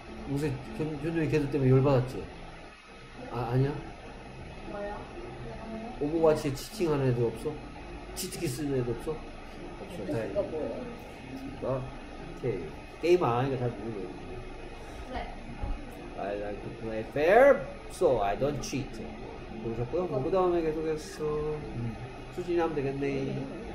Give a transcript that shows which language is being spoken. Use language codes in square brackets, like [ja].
[ko] 요새 견준이 걔들 때문에 열받았지? 아, 아니야? 오버워치에 치팅하는 애들 없어? 치트키 쓰는 애들 없어? 없어, 뭐야? 다행이다. 됐습니다. 오케이. 게임 안 하니까 잘 모르겠네. [en] I like to play fair, so I don't cheat. [ko] 그러셨고요. 그 다음에 계속해서 수진이 하면 되겠네.